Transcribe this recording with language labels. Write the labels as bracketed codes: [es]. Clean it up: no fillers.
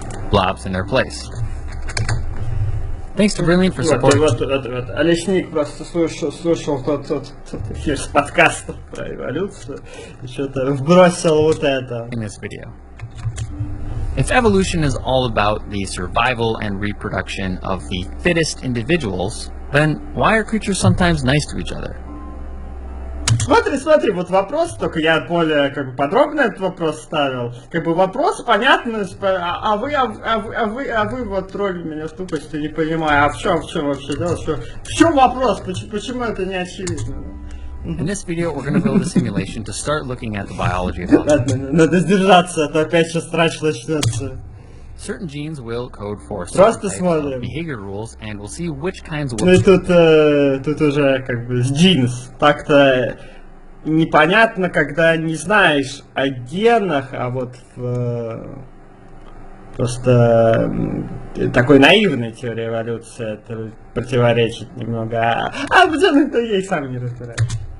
[en] Blobs in their place. Thanks to Brilliant for support. [ru] Вот. Олесник просто слушал тот эфир с подкастом про эволюцию и что-то вбросил вот это. [en] In this video. If evolution is all about the survival and reproduction of the fittest individuals, then why are creatures sometimes nice to each other? [ru] Смотри, вот вопрос, только я более как бы подробно этот вопрос ставил. Как бы вопрос понятный, а вы вот тролли меня с тупостью, не понимаю, а в чем вообще дело, что... В чем вопрос, почему это не очевидно? [en] In this video we're going to build a simulation to start looking at the biology of... [ru] Надо сдержаться, а то опять сейчас трач начнется. [en] Certain genes will code for certain types of behavior rules, and we'll see which kinds will... [ru] Ну и тут уже как бы с genes. Так-то непонятно, когда не знаешь о генах, а вот в... Просто такой наивной теории эволюции это противоречит немного. А в генах-то я и сам не разбираюсь.